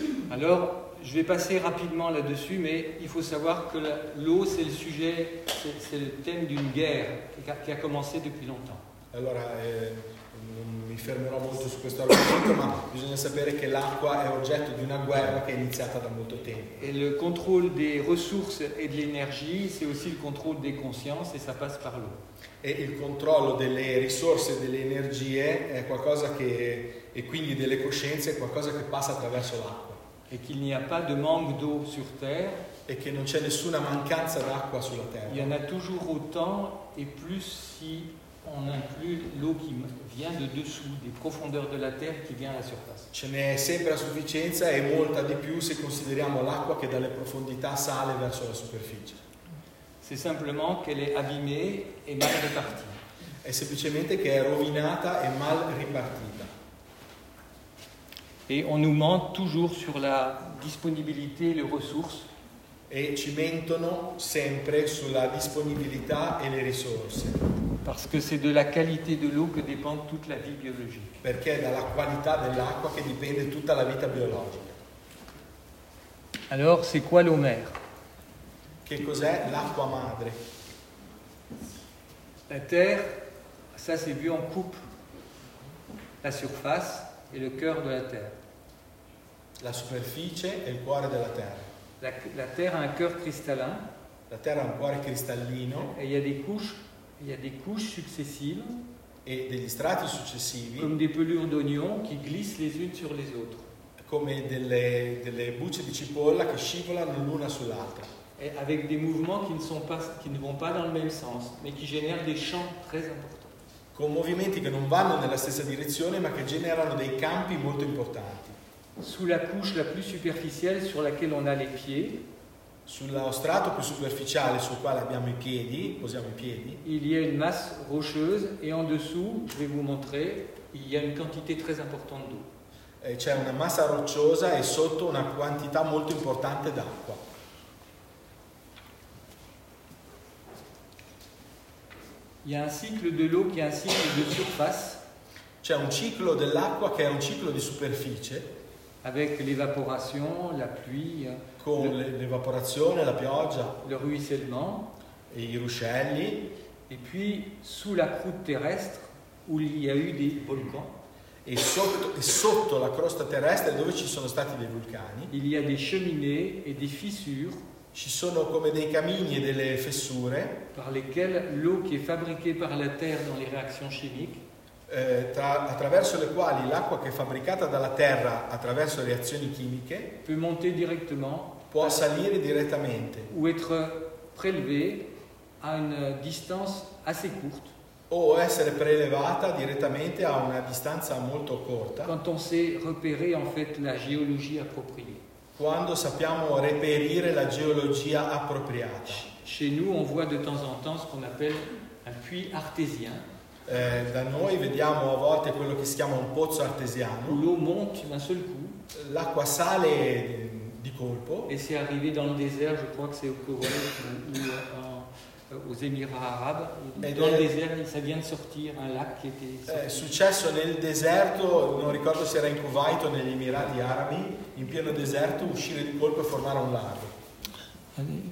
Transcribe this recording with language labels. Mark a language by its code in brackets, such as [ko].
[fr] Alors, je vais passer rapidement là-dessus, mais il faut savoir que l'eau, c'est le sujet, c'est le thème d'une guerre qui a commencé depuis longtemps. [it] Allora, non mi fermerò molto su questo argomento, ma bisogna sapere che l'acqua è oggetto di una guerra che è iniziata da molto tempo. E il controllo delle risorse e dell'energia, c'è anche il controllo delle coscienze e [fr] ça passe par l'eau. [it] E il controllo delle risorse e delle energie è qualcosa che, e quindi delle coscienze, è qualcosa che passa attraverso l'acqua. [fr] E qu'il n'y a pas de manque d'eau sur terre. [it] E che non c'è nessuna mancanza d'acqua sulla terra. [fr] Il y en a toujours autant et plus si on inclut l'eau qui vient de dessous, des profondeurs de la terre qui vient à la surface. [it] Ce n'è sempre a sufficienza e molta di più se consideriamo l'acqua che dalle profondità sale verso la superficie. [fr] C'est simplement qu'elle est abîmée et mal répartie. [it] È semplicemente che è rovinata e mal ripartita. [fr] Et on nous ment toujours sur la disponibilité et les ressources. [it] E ci mentono sempre sulla disponibilità e le risorse. [fr] Parce que c'est de la qualité de l'eau que dépend toute la vie biologique. [it] Perché è dalla qualità dell'acqua che dipende tutta la vita biologica. [fr] Alors, c'est quoi l'eau mère? [it] Che cos'è l'acqua madre? [fr] La terre, ça c'est vu en coupe. La surface et le cœur de la terre. [it] La superficie e il cuore della terra. [fr] La terre a un cœur cristallin. [it] La terra ha un cuore cristallino. [fr] Et il y a des couches. Il y a des couches successives [it] et degli strati successivi, [fr] comme des pelures d'oignons qui glissent les unes sur les autres. [it] Come delle bucce di cipolla che scivolano l'una sull'altra. [fr] Et avec des mouvements qui ne vont pas dans le même sens, mais qui génèrent des champs très importants. [it] Con movimenti che non vanno nella stessa direzione, ma che generano dei campi molto importanti. [fr] Sous la couche la plus superficielle sur laquelle on a les pieds. [it] Sullo strato più superficiale sul quale abbiamo i piedi, posiamo i piedi. [fr] Il y a une masse rocheuse et en dessous, je vais vous montrer, il y a une quantité très importante d'eau. [it] C'è una massa rocciosa e sotto una quantità molto importante d'acqua. [fr] Il y a un cycle de l'eau qui est un cycle de surface. [it] C'è un ciclo dell'acqua che è un ciclo di superficie. [fr] Avec l'évaporation, la pluie. [it] Con l'evaporazione, la pioggia, [fr] le ruissellement, [it] e i ruscelli, [fr] et puis sous la croûte terrestre où il y a eu des volcans, [it] e sotto la crosta terrestre dove ci sono stati dei vulcani, [fr] il y a des cheminées et des fissures, [it] ci sono come dei camini e delle fessure, [fr] par lesquelles l'eau qui est fabriquée par la terre dans les réactions chimiques, [it] attraverso le quali l'acqua che è fabbricata dalla terra attraverso reazioni chimiche [fr] peut monter directement, [it] può salire direttamente [fr] ou être prélevé à une distance assez courte, [it] o essere prélevata direttamente a una distanza molto corta, [fr] quand on sait repérer en fait la géologie appropriée, [it] quando sappiamo reperire la geologia appropriata. [fr] Chez nous on voit de temps en temps ce qu'on appelle un puits artésien. [it] Da noi vediamo a volte quello che si chiama un pozzo artesiano. [fr] L'eau monte d'un seul coup. [it] L'acqua sale di colpo. [fr] E c'est arrivé dans le désert, je crois que c'est au Koweït ou aux Émirats Arabes. Dans le désert, ça vient de sortir un lac qui était. [it] Successo nel deserto, non ricordo se era in Kuwait o negli Emirati Arabi, in pieno deserto uscire di colpo e formare un lago.